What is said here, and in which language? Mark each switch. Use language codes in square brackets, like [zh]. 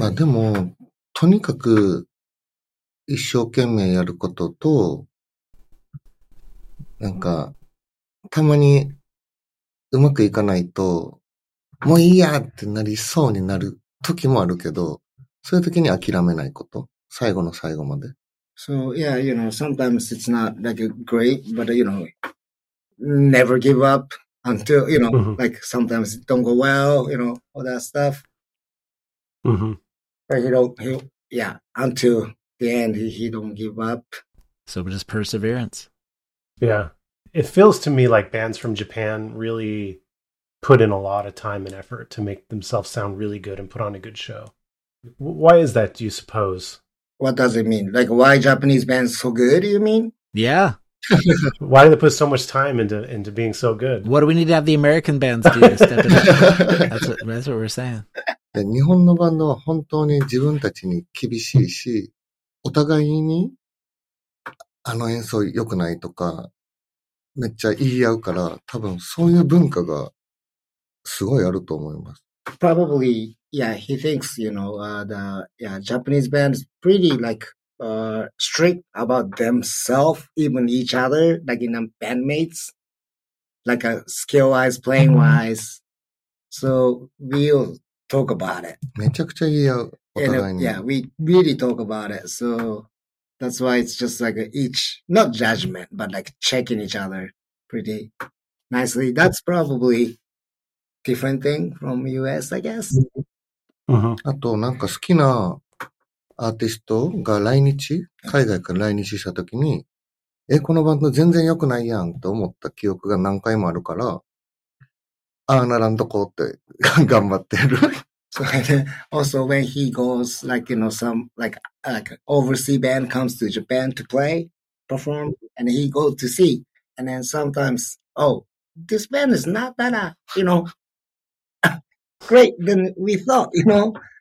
[ja] まあでも、とにかく、一生懸命やることと、なんか、たまに、うまくいかないと、もういいやってなりそうになる時もあるけど、そういう時に諦めないこと。最後の最後まで。 [en] So, yeah, you know, sometimes it's not like great, but you know, never give up until, you know, like sometimes it don't go well, you know, all that stuff. But he don't, yeah, until the end, he don't give up. So just perseverance. Yeah. It feels to me like bands from Japan really put in a lot of time and effort to make themselves sound really good and put on a good show. Why is that, do you suppose? What does it mean? Like, why Japanese bands so good, you mean? Yeah. Why do they put so much time into being so good? What do we need to have the American bands do? That's what we're saying. [ja] 日本のバンドは本当に自分たちに厳しいし、お互いにあの演奏良くないとか、めっちゃ言い合うから、多分そういう文化がすごいあると思います。 [en] Probably, yeah, he thinks, you know, the Japanese band is pretty, like, strict about themselves, even each other, like in bandmates, like a skill-wise, playing-wise. So we'll talk about it. [ja] めちゃくちゃ言い合う、お互いに。 [en] Yeah, we really talk about it. So that's why it's just like each, not judgment, but like checking each other pretty nicely. That's probably... Different thing from US, I guess. [ja] あと、なんか好きなアーティストが来日、海外から来日したときに、え、このバンド全然良くないやんと思った記憶が何回もあるから、ああならんとこって頑張ってる。 [en] So, also, when he goes, like, you know, some, like overseas band comes to Japan to play, perform, and he goes to see, and then sometimes, oh, this band is not that, you know,Great than we thought, you know.